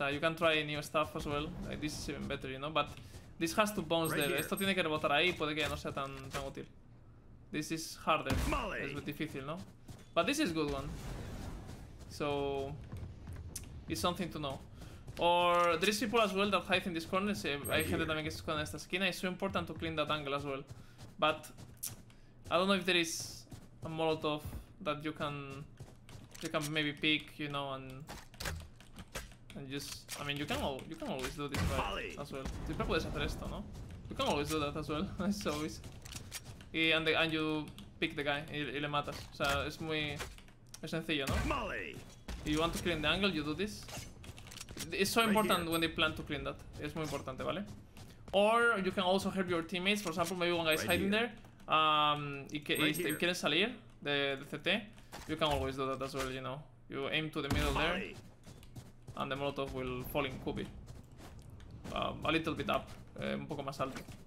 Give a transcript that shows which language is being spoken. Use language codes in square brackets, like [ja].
[en] sea, you can try new stuff as well. Like, this is even better, you know, but this has to bounce there. [es] Esto tiene que rebotar ahí, puede que ya no sea tan, tan útil. [en] This is harder. [es] Es muy difícil, ¿no? [en] But this is good one. So, it's something to know. Or, there is people as well that hide in this corner. [es] Sí, hay gente también que se esconde en esta esquina. [en] It's so important to clean that angle as well. But, I don't know if there is a Molotov that you can... You can maybe pick, you know, and just, I mean, you can always do this fight as well. [es] Siempre puedes hacer esto, ¿no? [en] You can always do that as well, it's always. Y, and you pick the guy [es] y le matas. O sea, es muy, es sencillo, ¿no? [en] If you want to clean the angle, you do this. It's so important when they plan to clean that. [es] Es muy importante, ¿vale? [en] Or you can also help your teammates. For example, maybe one guy is hiding there. [es] Y quieres salir de CT. [en] You can always do that as well, you know. You aim to the middle there, and the Molotov will fall in Kubi. A little bit up, [es] un poco más alto.